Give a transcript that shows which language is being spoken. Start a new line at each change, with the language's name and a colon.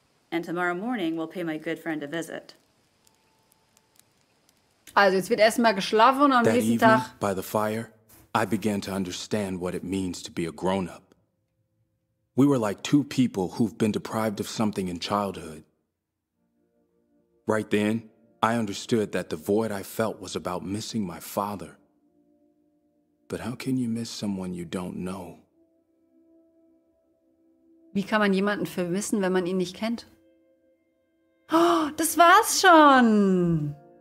English: And tomorrow morning we'll pay my good friend a visit.
German: Also, jetzt wird erstmal geschlafen und am nächsten Tag
English: by the fire, I began to understand what it means to be a grown-up. We were like two people who've been deprived of something in childhood. Right then, I understood that the void I felt was about missing my father. But how can you miss someone you don't know?
German: Wie kann man jemanden vermissen, wenn man ihn nicht kennt? Oh, das war's schon.